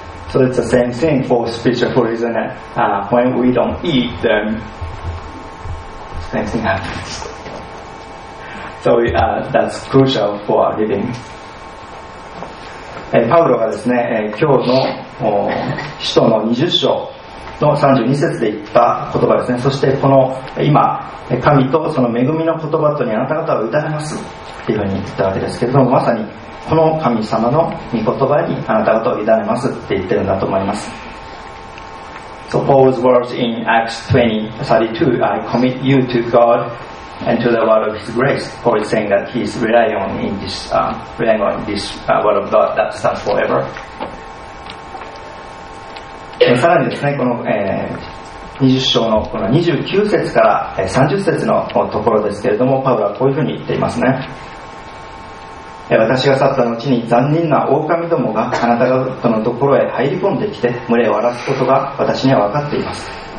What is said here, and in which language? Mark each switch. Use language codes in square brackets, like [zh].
[en] So it's the same thing for spiritual food, isn't it? When we don't eat, then same thing happens. So that's crucial for our living. [ja] パウロがですね、今日の使徒の20章の32節で言った言葉ですね。そしてこの今神とその恵みの言葉とにあなた方は委ねますっていうふうに言ったわけですけれども、まさにこの神様の御言葉にあなた方は委ねますって言ってるんだと思います。 [en] So Paul's words in Acts 20:32, I commit you to God. And to the word of his grace, Paul is saying that he is relying on this word of God that stands forever. [ja] さらにですね、この20章のこの29節から30節のところですけれども、パウロはこういうふうに言っていますね。私が去った後に残忍な狼どもがあなた方のところへ入り込んできて群れを荒らすことが私には分かっています。